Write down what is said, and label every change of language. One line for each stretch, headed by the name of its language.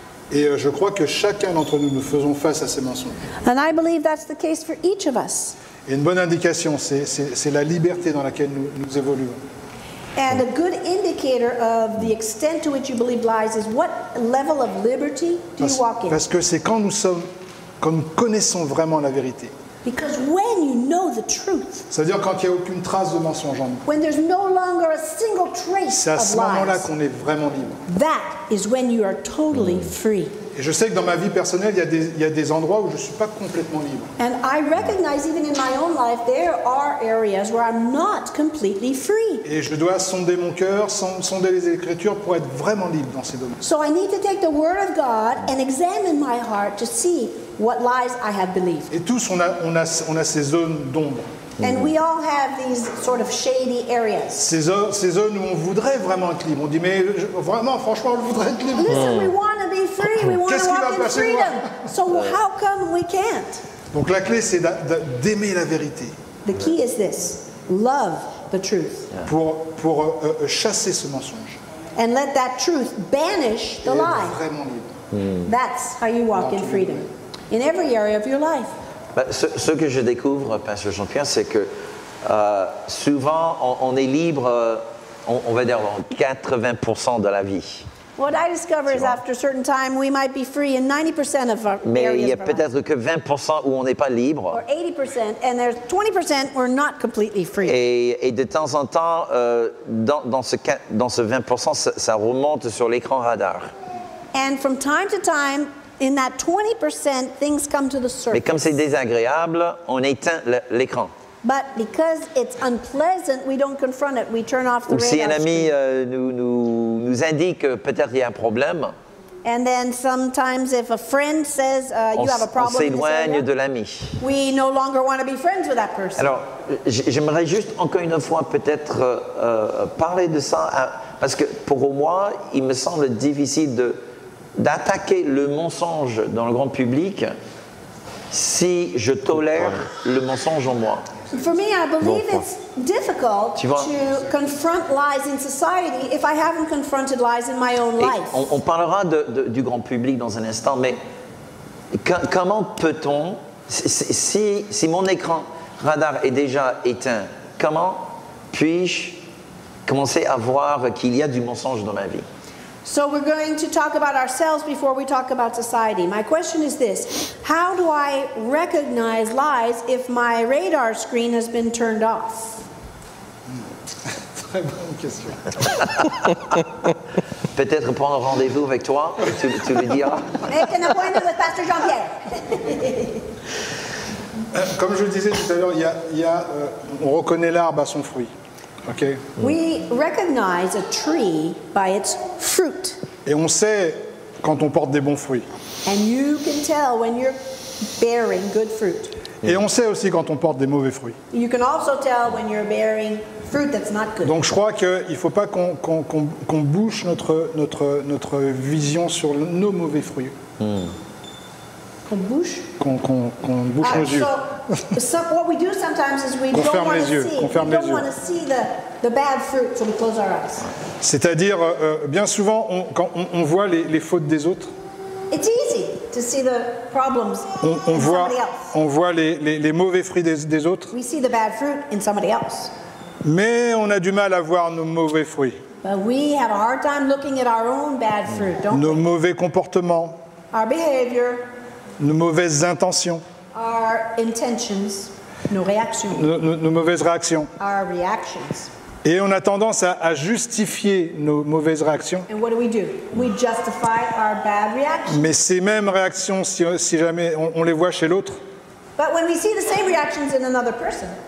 French: Et je crois que chacun d'entre nous faisons face à ces mensonges.
English: And I believe that's the case for each of us.
French: Et une bonne indication, c'est la liberté dans laquelle nous évoluons.
English: And a good indicator of the extent to which you believe lies is what level of liberty do you walk in?
French: Parce que c'est quand nous sommes, quand nous connaissons vraiment la vérité.
English: Because when you know the truth.
French: C'est-à-dire quand il y a aucune trace de mensonge en nous.
English: When there's no longer a single trace of lies.
French: C'est à ce moment-là qu'on est vraiment libre.
English: That is when you are totally free.
French: Et je sais que dans ma vie personnelle, il y a des endroits où je ne suis pas complètement libre.
English: And I recognize even in my own life, there are areas where I'm not completely free.
French: Et je dois sonder mon cœur, sonder les Écritures pour être vraiment libre dans ces domaines.
English: So I need to take the Word of God and examine my heart to see what lies I have believed.
French: Et tous, on a ces zones d'ombre.
English: And we all have these sort of shady areas.
French: Ces zones où on voudrait vraiment être libre. On dit, mais vraiment, franchement, je voudrais être libre.
English: Listen, we want to be free. We want to walk in freedom. So how come we can't?
French: Donc la clé, c'est d'aimer la vérité.
English: The key is this. Love the truth.
French: Pour chasser ce mensonge.
English: And let that truth banish the lie.
French: Et être vraiment libre.
English: That's how you walk in freedom. In every area of your life.
French: Ce que je découvre, Pasteur Jean-Pierre, c'est que souvent on est libre, on va dire, dans 80% de la vie.
English: What I discover is after a certain time, we might be free in 90% of our areas.
French: Mais il y a peut-être que 20% où on n'est pas libre.
English: Or 80%, and there's 20% we're not completely free.
French: Et de temps en temps, dans ce 20%, ça remonte sur l'écran radar.
English: And from time to time, in that 20%, things come to the surface.
French: Mais comme c'est désagréable, on éteint l'écran.
English: But because it's unpleasant, we don't confront it. We turn off the radar.
French: Ou si un ami nous indique peut-être il y a un problème.
English: And then sometimes if a friend says you have a problem,
French: on s'éloigne de l'ami.
English: We no longer want to be friends with that person.
French: Alors, j'aimerais juste encore une fois peut-être parler de ça parce que pour moi, il me semble difficile d'attaquer le mensonge dans le grand public si je tolère le mensonge en moi.
English: For me, I believe it's difficult to confront lies in society if I haven't confronted lies in my own life.
French: On parlera du grand public dans un instant, mais comment peut-on, si mon écran radar est déjà éteint, comment puis-je commencer à voir qu'il y a du mensonge dans ma vie?
English: So we're going to talk about ourselves before we talk about society. My question is this: how do I recognize lies if my radar screen has been turned off?
French: Très bonne question. Peut-être prendre rendez-vous avec toi, tu le diras.
English: Make an appointment with Pastor Jean-Pierre.
French: Comme je le disais tout à l'heure, on reconnaît l'arbre à son fruit.
English: Okay. We recognize a tree by its fruit.
French: Et on sait quand on porte des bons fruits.
English: And you can tell when you're bearing good fruit.
French: Et on sait aussi quand on porte des mauvais fruits.
English: You can also tell when you're bearing fruit that's not good.
French: Donc je crois qu'il ne faut pas qu'on bouche notre vision sur nos mauvais fruits. Qu'on bouche nos yeux.
English: What we do sometimes is we don't want to see. The bad fruit, so we close our eyes.
French: C'est-à-dire, bien souvent, quand on voit les fautes des autres.
English: It's easy to see the problems in somebody else.
French: On voit les mauvais fruits des autres.
English: We see the bad fruit in somebody else.
French: Mais on a du mal à voir nos mauvais fruits.
English: But we have a hard time looking at our own bad fruit, don't we?
French: Nos mauvais comportements.
English: Our behavior.
French: Nos mauvaises intentions.
English: Our intentions,
French: nos réactions. Nos mauvaises réactions.
English: Our reactions.
French: Et on a tendance à justifier nos mauvaises réactions.
English: And what do? We justify our bad reactions.
French: Mais ces mêmes réactions, si jamais on les voit chez l'autre,
English: but when we see the same reactions in another person,